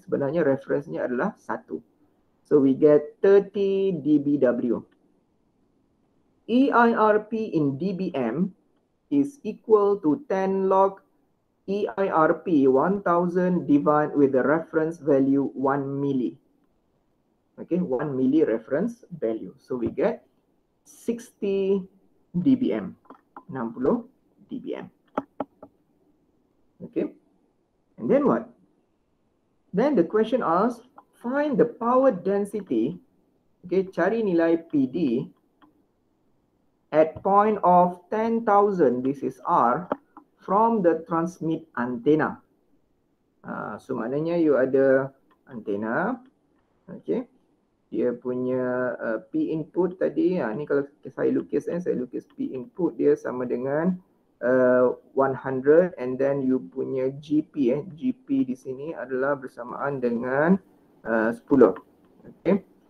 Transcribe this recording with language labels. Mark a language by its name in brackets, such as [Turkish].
[Malay] Sebenarnya referensinya adalah 1. [English] So we get 30 dBW. EIRP in dBm is equal to 10 log EIRP 1000 divided with the reference value 1 milli. Okay, 1 milli reference value. So we get 60 dBm. 60 dBm. Okay. And then what? Then the question asks, find the power density. Okay, [Malay] cari nilai PD [English] at point of 10,000, this is R, from the transmit antenna. [Malay] So maknanya you ada antenna, okay. Dia punya P input tadi, ni kalau saya lukis, saya lukis P input dia sama dengan 100, and then you punya GP, GP di sini adalah bersamaan dengan 10, okay.